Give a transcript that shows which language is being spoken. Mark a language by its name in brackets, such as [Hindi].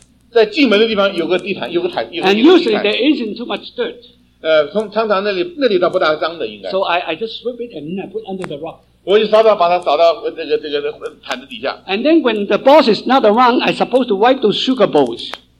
[Chinese] 在进门的地方有个地毯，有个毯。 [English] And usually there isn't too much dirt. [Chinese] 常常那里倒不大脏的，应该。 [English] So I just sweep it and put under the rug. [Chinese] 我就扫扫，把它扫到这个毯子底下。 [English] And then when the boss is not around, I supposed to wipe those sugar bowls.